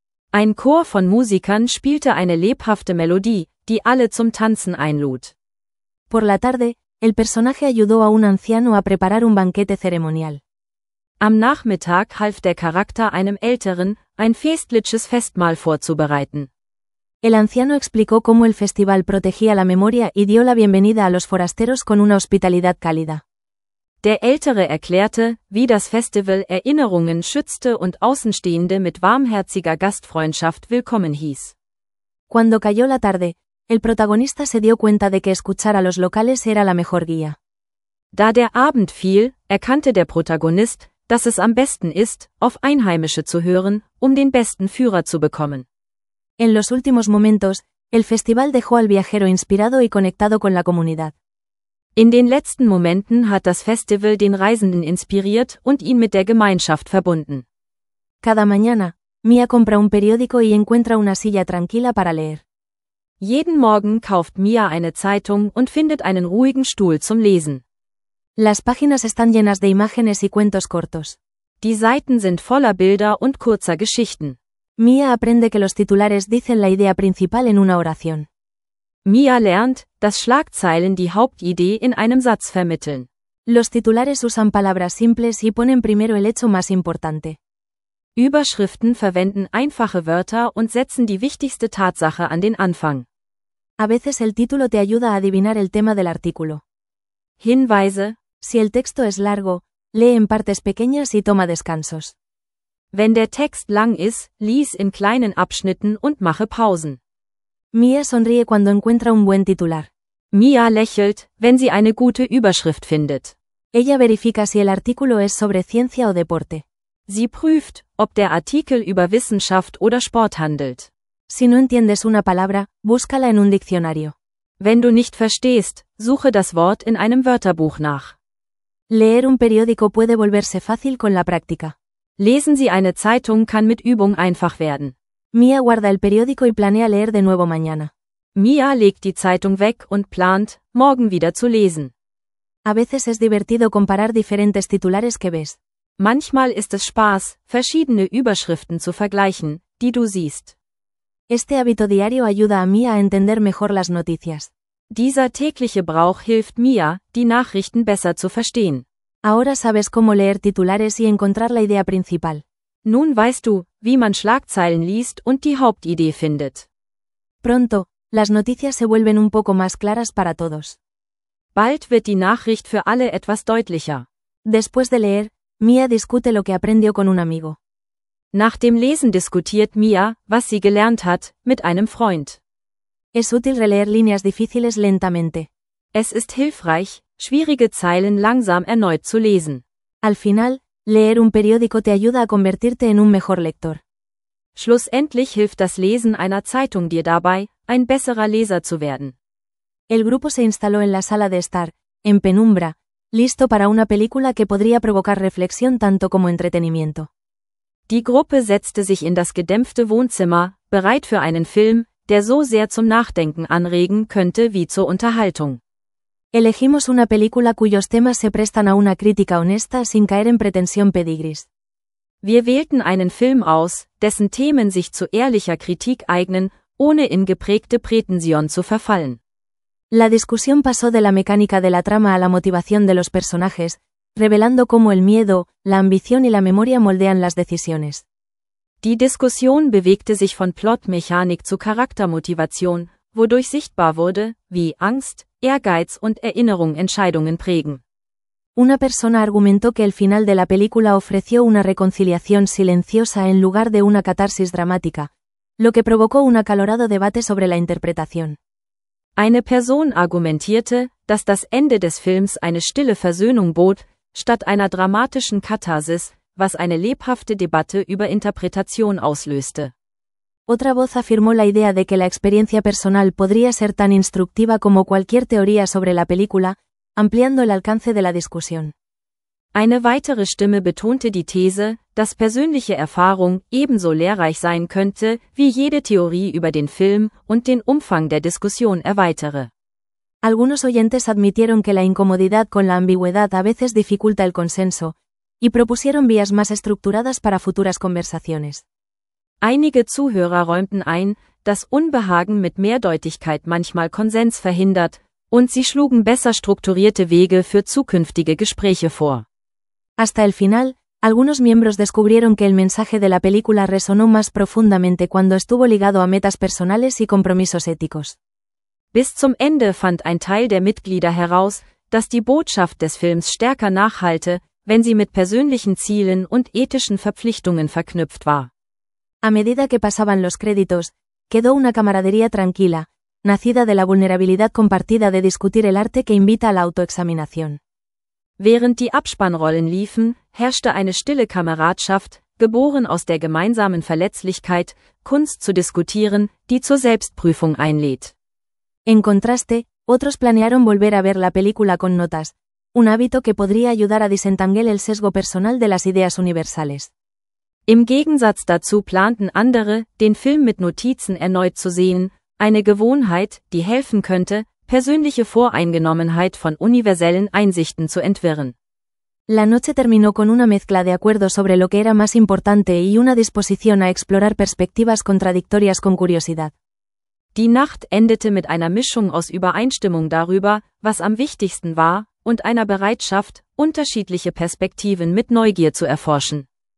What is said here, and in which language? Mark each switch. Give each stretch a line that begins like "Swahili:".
German: Ein Chor von Musikern spielte eine lebhafte Melodie, die alle zum Tanzen einlud.
Spanish: Por la tarde, el personaje ayudó a un anciano a preparar un banquete ceremonial.
German: Am Nachmittag half der Charakter einem Älteren, ein festliches Festmahl vorzubereiten.
Spanish: El anciano explicó cómo el festival protegía la memoria y dio la bienvenida a los forasteros con una hospitalidad cálida.
German: Der Ältere erklärte, wie das Festival Erinnerungen schützte und Außenstehende mit warmherziger Gastfreundschaft willkommen hieß.
Spanish: Cuando cayó la tarde, el protagonista se dio cuenta de que escuchar a los locales era la mejor guía.
German: Da der Abend fiel, erkannte der Protagonist, dass es am besten ist, auf Einheimische zu hören, um den besten Führer zu bekommen.
Spanish: En los últimos momentos, el festival dejó al viajero inspirado y conectado con la comunidad.
German: In den letzten Momenten hat das Festival den Reisenden inspiriert und ihn mit der Gemeinschaft verbunden.
Spanish: Cada mañana, Mia compra un periódico y encuentra una silla tranquila para leer.
German: Jeden Morgen kauft Mia eine Zeitung und findet einen ruhigen Stuhl zum Lesen.
Spanish: Las páginas están llenas de imágenes y cuentos cortos.
German: Die Seiten sind voller Bilder und kurzer Geschichten.
Spanish: Mia aprende que los titulares dicen la idea principal en una oración.
German: Mia lernt, dass Schlagzeilen die Hauptidee in einem Satz vermitteln.
Spanish: Los titulares usan palabras simples y ponen primero el hecho más importante.
German: Überschriften verwenden einfache Wörter und setzen die wichtigste Tatsache an den Anfang.
Spanish: A veces el título te ayuda a adivinar el tema del artículo.
German: Hinweise:
Spanish: Si el texto es largo, lee en partes pequeñas y toma descansos.
German: Wenn der Text lang ist, lies in kleinen Abschnitten und mache Pausen.
Spanish: Mia sonríe cuando encuentra un buen titular.
German: Mia lächelt, wenn sie eine gute Überschrift findet.
Spanish: Ella verifica si el artículo es sobre ciencia o deporte.
German: Sie prüft, ob der Artikel über Wissenschaft oder Sport handelt.
Spanish: Si no entiendes una palabra, búscala en un diccionario.
German: Wenn du nicht verstehst, suche das Wort in einem Wörterbuch nach.
Spanish: Leer un periódico puede volverse fácil con la práctica.
German: Lesen Sie eine Zeitung kann mit Übung einfach werden.
Spanish: Mia guarda el periódico y planea leer de nuevo mañana.
German: Mia legt die Zeitung weg und plant, morgen wieder zu lesen.
Spanish: A veces es divertido comparar diferentes titulares que ves.
German: Manchmal ist es Spaß, verschiedene Überschriften zu vergleichen, die du siehst.
Spanish: Este hábito diario ayuda a Mia a entender mejor las noticias.
German: Dieser tägliche Brauch hilft Mia, die Nachrichten besser zu verstehen.
Spanish: Ahora sabes cómo leer titulares y encontrar la idea principal.
German: Nun weißt du, wie man Schlagzeilen liest und die Hauptidee findet.
Spanish: Pronto, las noticias se vuelven un poco más claras para todos.
German: Bald wird die Nachricht für alle etwas deutlicher.
Spanish: Después de leer, Mia discute lo que aprendió con un amigo.
German: Nach dem Lesen diskutiert Mia, was sie gelernt hat, mit einem Freund.
Spanish: Es útil releer líneas difíciles lentamente.
German: Es ist hilfreich, schwierige Zeilen langsam erneut zu lesen.
Spanish: Al final, leer un periódico te ayuda a convertirte en un mejor lector.
German: Schlussendlich hilft das Lesen einer Zeitung dir dabei, ein besserer Leser zu werden.
Spanish: El grupo se instaló en la sala de estar, en penumbra, listo para una película que podría provocar reflexión tanto como entretenimiento.
German: Die Gruppe setzte sich in das gedämpfte Wohnzimmer, bereit für einen Film, der so sehr zum Nachdenken anregen könnte wie zur Unterhaltung.
Spanish: Elegimos una película cuyos temas se prestan a una crítica honesta sin caer en pretensión pedigris.
German: Wir wählten einen Film aus, dessen Themen sich zu ehrlicher Kritik eignen, ohne in geprägte Prätension zu verfallen.
Spanish: La discusión pasó de la mecánica de la trama a la motivación de los personajes, revelando cómo el miedo, la ambición y la memoria moldean las decisiones.
German: Die Diskussion bewegte sich von Plotmechanik zu Charaktermotivation, wodurch sichtbar wurde, wie Angst, Ehrgeiz und Erinnerung Entscheidungen prägen.
Spanish: Una persona argumentó que el final de la película ofreció una reconciliación silenciosa en lugar de una catarsis dramática, lo que provocó un acalorado debate sobre la interpretación.
German: Eine Person argumentierte, dass das Ende des Films eine stille Versöhnung bot, statt einer dramatischen Katharsis, was eine lebhafte Debatte über Interpretation auslöste.
Spanish: Otra voz afirmó la idea de que la experiencia personal podría ser tan instructiva como cualquier teoría sobre la película, ampliando el alcance de la discusión.
German: Eine weitere Stimme betonte die These, dass persönliche Erfahrung ebenso lehrreich sein könnte, wie jede Theorie über den Film und den Umfang der Diskussion erweitere.
Spanish: Algunos oyentes admitieron que la incomodidad con la ambigüedad a veces dificulta el consenso, y propusieron vías más estructuradas para futuras conversaciones.
German: Einige Zuhörer räumten ein, dass Unbehagen mit Mehrdeutigkeit manchmal Konsens verhindert, und sie schlugen besser strukturierte Wege für zukünftige Gespräche vor.
Spanish: Hasta el final, Algunos miembros descubrieron que el mensaje de la película resonó más profundamente cuando estuvo ligado a metas personales y compromisos éticos.
German: Bis zum Ende fand ein Teil der Mitglieder heraus, dass die Botschaft des Films stärker nachhalte, wenn sie mit persönlichen Zielen und ethischen Verpflichtungen verknüpft war.
Spanish: A medida que pasaban los créditos, quedó una camaradería tranquila, nacida de la vulnerabilidad compartida de discutir el arte que invita a la autoexaminación.
German: Während die Abspannrollen liefen, herrschte eine stille Kameradschaft, geboren aus der gemeinsamen Verletzlichkeit, Kunst zu diskutieren, die zur Selbstprüfung einlädt.
Spanish: En contraste, otros planearon volver a ver la película con notas, un hábito que podría ayudar a desentangar el sesgo personal de las ideas universales.
German: Im Gegensatz dazu planten andere, den Film mit Notizen erneut zu sehen, eine Gewohnheit, die helfen könnte, persönliche Voreingenommenheit von universellen Einsichten zu entwirren.
Spanish: La noche terminó con una mezcla de acuerdos sobre lo que era más importante y una disposición a explorar perspectivas contradictorias con curiosidad.
German: Die Nacht endete mit einer Mischung aus Übereinstimmung darüber, was am wichtigsten war, und einer Bereitschaft, unterschiedliche Perspektiven mit Neugier zu erforschen.